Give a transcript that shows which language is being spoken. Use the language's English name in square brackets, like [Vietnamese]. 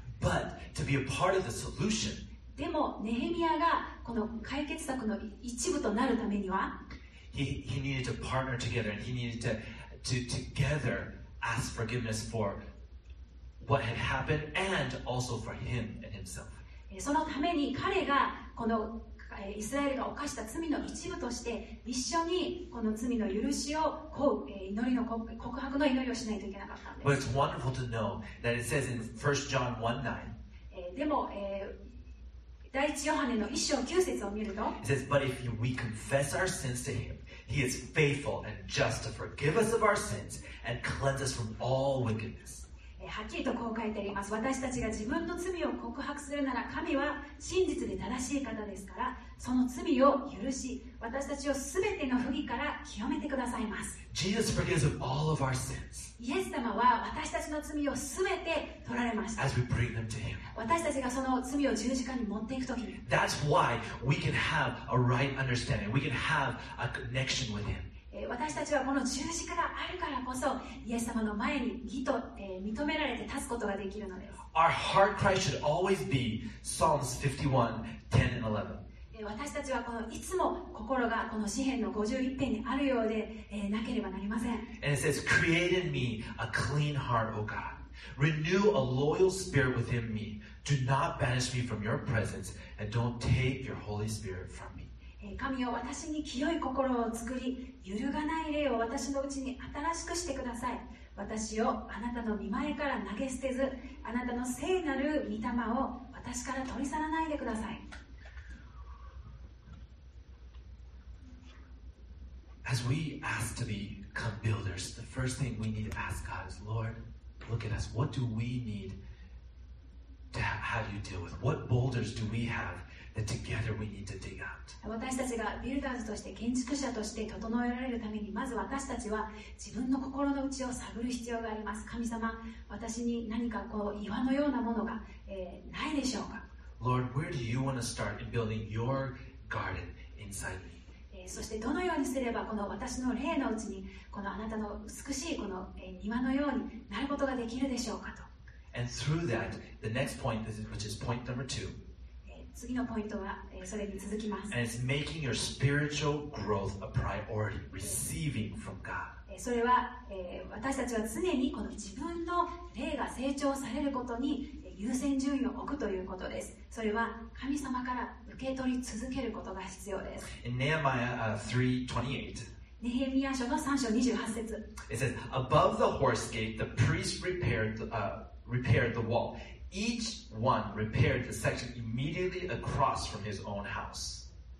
[English] But to be a part of the solution, [Japanese] でもネヘミヤがこの解決策の一部となるためには [English] he needed to partner together and he needed to together ask forgiveness for what had happened and also for him and himself. [Japanese] そのために彼がこのイスラエルが犯した罪の一部として一緒にこの罪の許しを乞う祈りの告白の祈りをしないといけなかったんです。 [English] But it's wonderful to know that it says in 1 John 1:9. [Japanese] でも第一ヨハネの一章九節を見ると [English] It says, but if we confess our sins to him, he is faithful and just to forgive us of our sins and cleanse us from all wickedness. [Japanese] はっきりとこう書いてあります。私たちが自分の罪を告白するなら神は真実で正しい方ですからその罪を許し私たちを全ての不義から清めてくださいます。 [English] Jesus forgives all of our sins. [Japanese] イエス様は私たちの罪を全て取られました。 [English] As we bring them to him. [Japanese] 私たちがその罪を十字架に持っていくとき [English] That's why we can have a right understanding. We can have a connection with him. [Japanese] 私たちはこの十字架があるからこそイエス様の前に義と、認められて立つことができるのです。 [English] Our heart cry should always be Psalms 51:10-11. [Japanese] 私たちはこのいつも心がこの詩編の51編にあるようで、なければなりません。 [English] And it says, Create in me a clean heart, O God. Renew a loyal spirit within me. Do not banish me from your presence, and don't take your Holy Spirit from me. [Japanese] 神よ私に清い心を作り揺るがない霊を私のうちに新しくしてください。私をあなたの御前から投げ捨てずあなたの聖なる御霊を私から取り去らないでください。 [English] As we ask to become builders, the first thing we need to ask God is, Lord, look at us. What do we need to have you deal with? What boulders do we haveThat together we need to dig out. [Japanese] 私たちがビルダーズとして建築者として整えられるためにまず私たちは自分の心の内を探る必要があります。神様私に何かこう岩のようなものが、ないでしょうか。 [English] Lord, where do you want to start in building your garden inside me? [Japanese] そしてどのようにすればこの私の霊のうちにこのあなたの美しいこの、庭のようになることができるでしょうかと。 [English] And through that, the next point, which is point number two, [Japanese] 次のポイントはそれに続きます。 [English] And it's making your spiritual growth a priority, receiving from God. [Japanese] それは私たちは常にこの自分の霊が成長されることに優先順位を置くということです。それは神様から受け取り続けることが必要です。 [English] In Nehemiah 3:28, [Japanese] Nehemiah 書の3章28節。 [English] It says, Above the horse gate, the priest repaired the wall. Each one repaired the section immediately across from his own house.